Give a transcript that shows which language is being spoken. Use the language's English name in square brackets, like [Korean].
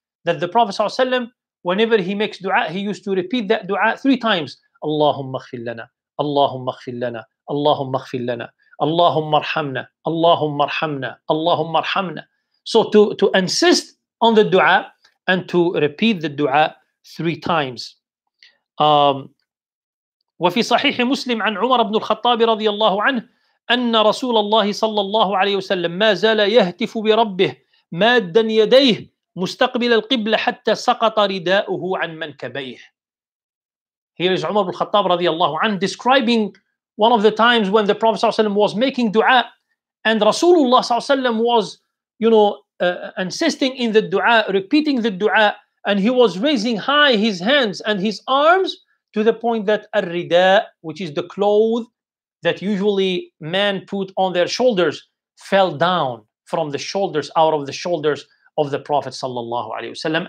[English] That the Prophet sallallahu alayhi wa sallam, whenever he makes du'a, he used to repeat that du'a three times. [Arabic] Allahumma ghfir lana, اللهم اغفر لنا اللهم اغفر لنا اللهم ارحمنا اللهم ارحمنا اللهم ارحمنا. [English] So to insist on the dua and to repeat the dua three times. [Arabic] وفي صحيح مسلم عن عمر بن الخطاب رضي الله عنه أن رسول الله صلى الله عليه وسلم ما زال يهتف بربه مادا يديه مستقبل القبلة حتى سقط رداؤه عن منكبيه. [English] Here is Umar al-Khattab radiallahu anhu describing one of the times when the Prophet sallallahu alayhi wa sallam was making dua, and Rasulullah sallallahu alayhi wa sallam was, you know, insisting in the dua, repeating the dua, and he was raising high his hands and his arms to the point that al-rida, which is the cloth that usually men put on their shoulders, fell down from the shoulders, out of the shoulders of the Prophet sallallahu alayhi wa sallam.